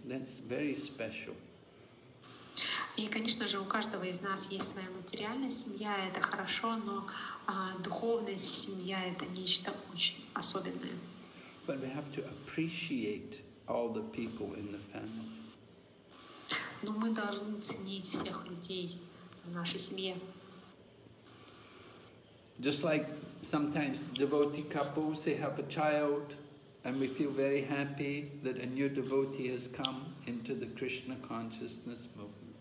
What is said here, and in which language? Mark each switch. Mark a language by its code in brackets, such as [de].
[en] That's very special. [ru] И, конечно же, у каждого из нас есть своя материальная семья. Это хорошо, но духовная семья — это нечто очень особенное. [en] But we have to appreciate all the people in the family. [ru] Но мы должны ценить всех людей в нашей семье. [en] Just like sometimes devotee couples, they have a child, and we feel very happy that a new devotee has come into the Krishna consciousness movement.